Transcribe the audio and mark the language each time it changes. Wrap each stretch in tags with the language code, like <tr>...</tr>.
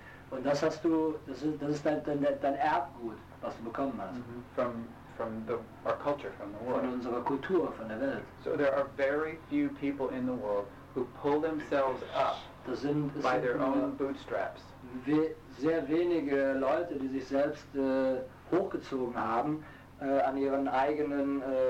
<de>Und das hast du, das ist dein Erbgut, was du bekommen hast.</de> <en>Mm-hmm. From our culture, from the world.</en> <de>Von unserer Kultur, von der Welt.</de> <en>So there are very few people in the world who pull themselves up by their own bootstraps.</en> <de>Sehr wenige Leute, die sich selbst hochgezogen haben, an ihren eigenen...</de>